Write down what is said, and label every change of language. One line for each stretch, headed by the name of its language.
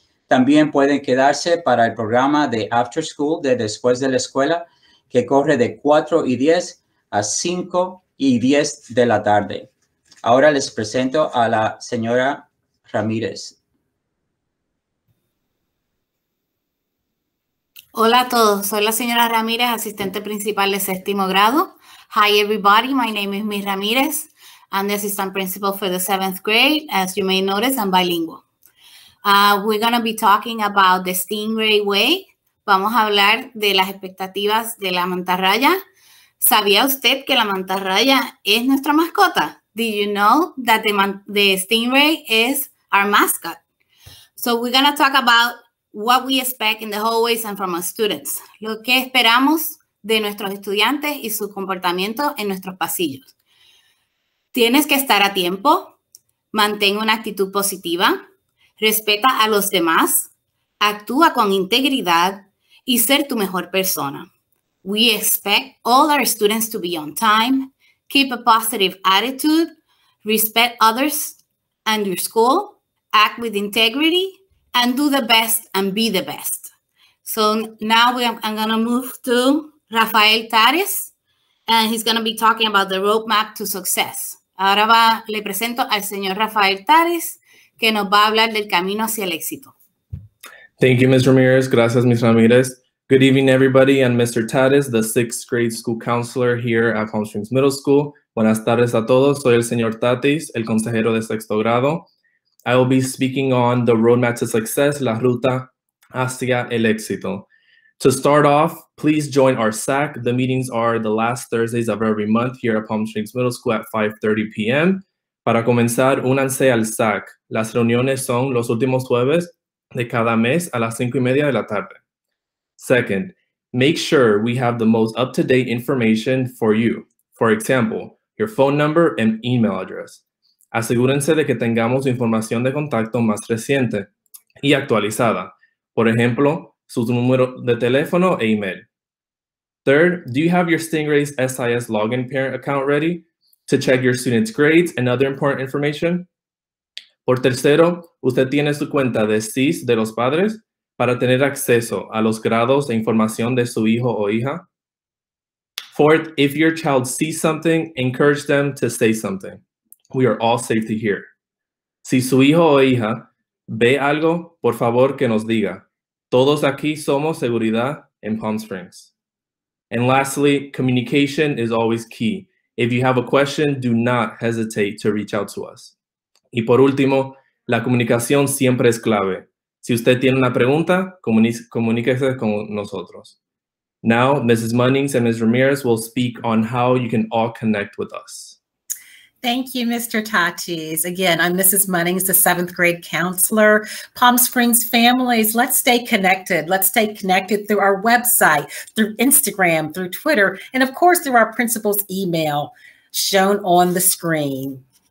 Spanish: También pueden quedarse para el programa de After School de después de la escuela, que corre de 4:10 a 5:10 de la tarde. Ahora les presento a la señora Ramírez. Hola a todos, soy la señora Ramírez, asistente principal de 6º grado.
English: Hi everybody, my name is Ms. Ramírez. I'm the assistant principal for the 7th grade. As you may notice, I'm bilingual. We're going to be talking about the Stingray Way.
Spanish: Vamos a hablar de las expectativas de la mantarraya. ¿Sabía usted que la mantarraya es nuestra mascota?
English: Did you know that the Stingray is our mascot? So we're going to talk about what we expect in the hallways and from our students.
Spanish: Lo que esperamos de nuestros estudiantes y su comportamiento en nuestros pasillos. Tienes que estar a tiempo. Mantén una actitud positiva. Respeta a los demás. Actúa con integridad y ser tu mejor persona.
English: We expect all our students to be on time. Keep a positive attitude. Respect others and your school. Act with integrity. And do the best and be the best. So now I'm going to move to Rafael Tares, and he's going to be talking about the roadmap to success.
Spanish: Ahora le presento al señor Rafael Tares, que nos va a hablar del camino hacia el éxito.
English: Thank you, Ms. Ramirez.
Spanish: Gracias,
English: Ms. Ramirez. Good evening, everybody. I'm Mr. Tares, the 6th grade school counselor here at Palm Springs Middle School.
Spanish: Buenas tardes a todos. Soy el señor Tatis, el consejero de 6º grado.
English: I will be speaking on the roadmap to success,
Spanish: la ruta hacia el éxito.
English: To start off, please join our SAC. The meetings are the last Thursdays of every month here at Palm Springs Middle School at 5:30 p.m.
Spanish: Para comenzar, únanse al SAC. Las reuniones son los últimos jueves de cada mes a las 5:30 de la tarde.
English: Second, make sure we have the most up-to-date information for you. For example, your phone number and email address.
Spanish: Asegúrense de que tengamos información de contacto más reciente y actualizada. Por ejemplo, su número de teléfono e email.
English: Third, do you have your Stingray's SIS login parent account ready to check your students' grades and other important information?
Spanish: Por tercero, usted tiene su cuenta de SIS de los padres para tener acceso a los grados e información de su hijo o hija.
English: Fourth, if your child sees something, encourage them to say something. We are all safety here.
Spanish: Si su hijo o hija ve algo, por favor que nos diga. Todos aquí somos seguridad en Palm Springs.
English: And lastly, communication is always key. If you have a question, do not hesitate to reach out to us.
Spanish: Y por último, la comunicación siempre es clave. Si usted tiene una pregunta, comuníquese con nosotros.
English: Now, Mrs. Munnings and Ms. Ramirez will speak on how you can all connect with us. Thank you, Mr. Tatis. Again, I'm Mrs. Munnings, the seventh grade counselor. Palm Springs families, let's stay connected. Let's stay connected through our website, through Instagram, through Twitter, and of course, through our principal's email shown on the screen.